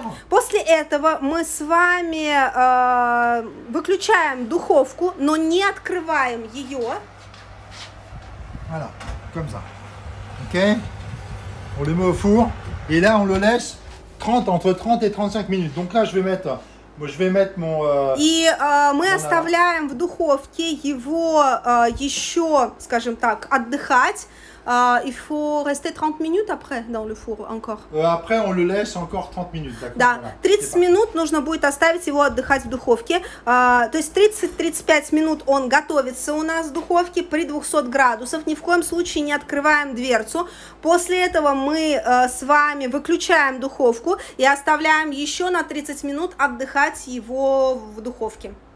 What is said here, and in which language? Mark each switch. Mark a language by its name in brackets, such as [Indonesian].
[Russian] После этого мы с вами выключаем духовку, но не открываем ее. [French] Voilà, comme ça. OK. On le met au four et là on le laisse 30 entre 30 et 35 minutes. Donc là je vais mettre [Russian] мы оставляем в духовке его еще, скажем так, отдыхать. [French] Il faut rester 30 minutes après dans le four encore. Après on le laisse encore 30 minutes, d'accord. [Russian] Да, 30 минут нужно будет оставить его отдыхать в духовке. То есть 30-35 минут он готовится у нас в духовке при 200 градусах. Ни в коем случае не открываем дверцу. После этого мы с вами выключаем духовку и оставляем еще на 30 минут отдыхать его в духовке.